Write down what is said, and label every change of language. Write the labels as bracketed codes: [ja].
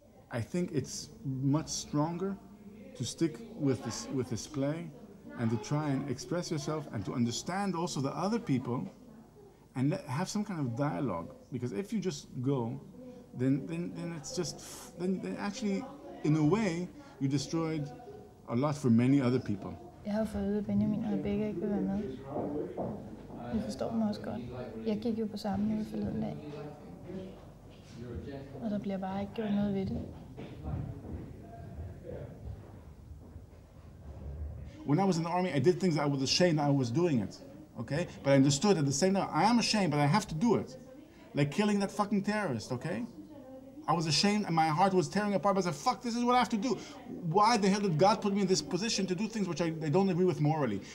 [en] I think it's much stronger to stick with this play and to try and express yourself and to understand also the other people and have some kind of dialogue. Because if you just go, then it's just... Then actually, in a way, you destroyed a lot for many other people. [da] Jeg har fået ud af Benjamin og Rebecca ikke vil være med. Jeg forstår dem også godt. Jeg gik jo på samme niveau forleden dag. Og der bliver bare ikke gjort noget ved det. [en] When I was in the army, I did things I was ashamed I was doing it. Okay? But I understood at the same time, I am ashamed, but I have to do it. Like killing that fucking terrorist, okay? I was ashamed and my heart was tearing apart, but I said, fuck, this is what I have to do. Why the hell did God put me in this position to do things which I don't agree with morally?